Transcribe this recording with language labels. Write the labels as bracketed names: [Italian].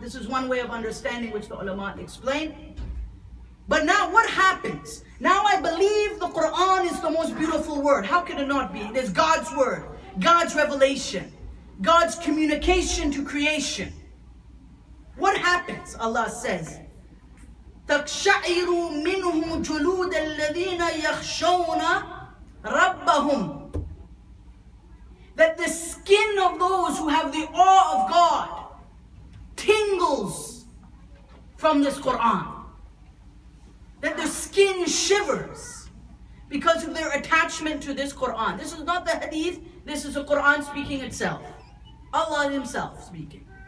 [English] This is one way of understanding which the ulama explained. But now what happens? Now I believe the Quran is the most beautiful word. How can it not be? It is God's word, God's revelation, God's communication to creation. What happens? Allah says, [Arabic] تَقْشَعِرُوا مِنْهُمْ جُلُودَ الَّذِينَ يَخْشَوْنَ رَبَّهُمْ. [English] That the skin of those who have the awe of God tingles from this Quran. That their skin shivers because of their attachment to this Quran. This is not the hadith, this is the Quran speaking itself. Allah Himself speaking.